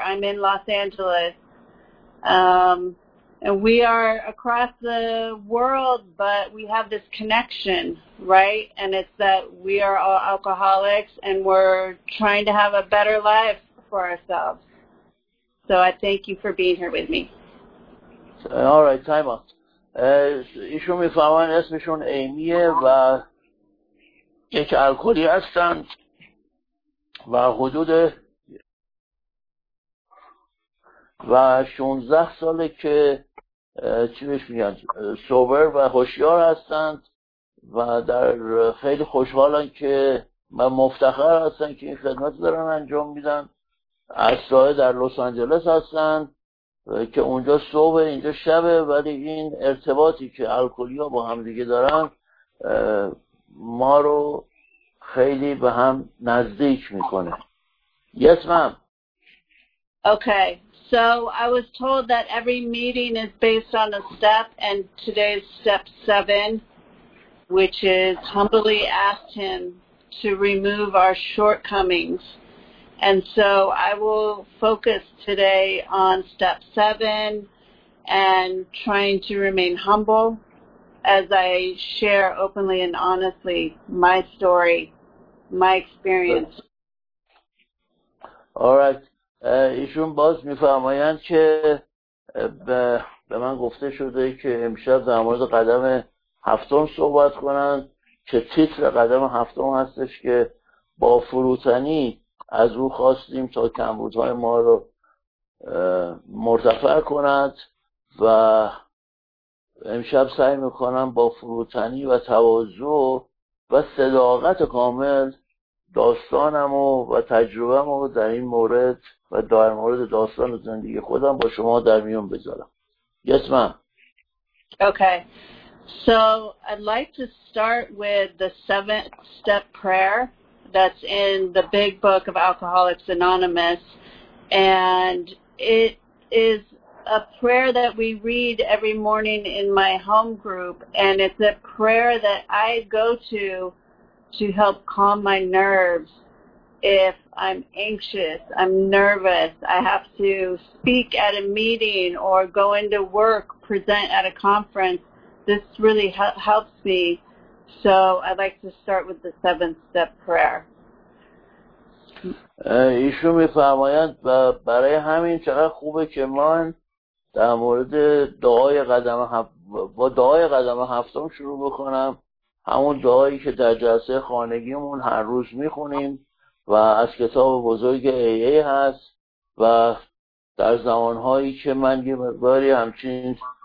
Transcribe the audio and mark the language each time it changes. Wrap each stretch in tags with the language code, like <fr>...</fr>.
<en>I'm in Los Angeles. And we are across the world, but we have this connection, right? And it's that we are all alcoholics and we're trying to have a better life for ourselves. So I thank you for being here with me. All right, time out.</en> <fa>ایشون می فهمن اسمشون ایمیه و یک الکلی هستند و حدود و 16 ساله که چی بهش میگن سوبر و هوشیار هستند و در خیلی خوشحالن که من مفتخر هستن که این خدمت دارن انجام میدن. از ساحه در لس آنجلس هستند که اونجا صبح اینجا شبه، ولی این ارتباطی که الکلی ها با هم دیگه دارن ما رو خیلی به هم نزدیک میکنه.</fa> <en>Yes, ma'am. Okay, so I was told that every meeting is based on a step, and today is step 7, which is humbly asked him to remove our shortcomings. And so I will focus today on step 7 and trying to remain humble as I share openly and honestly my story, my experience. All right.</en> <fa>ایشون باز میفرمایند که به من گفته شده که امشب در مورد قدم هفتم صحبت کنند، که تیتر قدم هفتم هستش که با فروتنی از او خواستیم تا کمبودهای ما رو مرتفع کند و امشب سعی میکنم با فروتنی و تواضع و صداقت کامل داستانمو و تجربه‌مو در این مورد و در مورد داستان زندگی خودم با شما در میون بذارم.</fa> <en>Yes, ma'am. Okay. So I'd like to start with the 7th step prayer that's in the big book of Alcoholics Anonymous, and it is a prayer that we read every morning in my home group, and it's a prayer that I go to help calm my nerves if I'm anxious, I'm nervous, I have to speak at a meeting or go into work, present at a conference. This really helps me. So I'd like to start with the 7th step prayer.</en> <fa>ایشون می فرماید و برای همین چقدر خوبه که من در مورد دعای قدم هفتم شروع بکنم، همون دعایی که در جلسه خانگیمون هر روز میخونیم و از کتاب بزرگ AA هست و در زمانهایی که من یه مقداری همچین</fa>